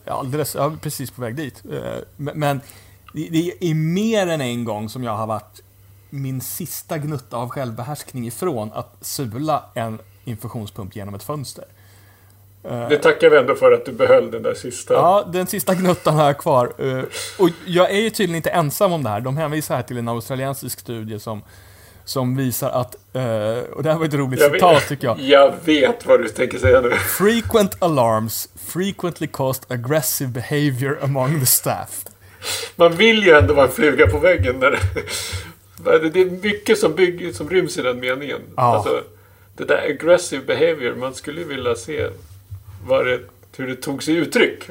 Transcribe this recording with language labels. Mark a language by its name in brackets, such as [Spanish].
[Swedish] Alldeles, jag är precis på väg dit. Men det är mer än en gång som jag har varit min sista gnutta av självbehärskning ifrån att sula en infusionspump genom ett fönster. Det tackar vi ändå för att du behöll den där sista. Ja, den sista gnuttan har jag kvar. Och jag är ju tydligen inte ensam om det här. De hänvisar här till en australiensisk studie som visar att, och det här var ett roligt citat tycker jag. Jag vet vad du tänker säga nu. [English] Frequent alarms frequently caused aggressive behavior among the staff. [Swedish] Man vill ju ändå vara en fluga på väggen när det är mycket som ryms i den meningen. Ja. Alltså, det där aggressive behavior, man skulle vilja se hur det tog sig uttryck.